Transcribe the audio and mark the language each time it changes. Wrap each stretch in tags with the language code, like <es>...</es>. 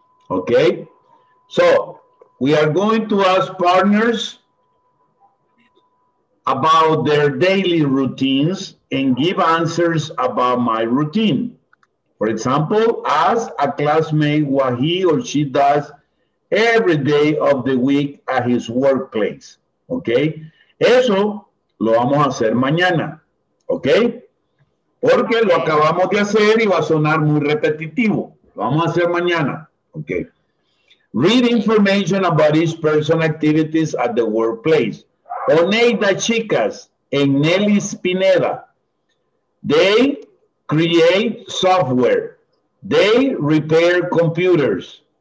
<en>Okay, so we are going to ask partners about their daily routines and give answers about my routine. For example, ask a classmate what he or she does every day of the week at his workplace. Okay?</en> <es>Eso lo vamos a hacer mañana.</es> <en>Okay?</en> <es>Porque lo acabamos de hacer y va a sonar muy repetitivo. Lo vamos a hacer mañana. Okay?</es> <en>Read information about his personal activities at the workplace. Oneida Chicas and Nelly Spineda. They create software. They repair computers.</en>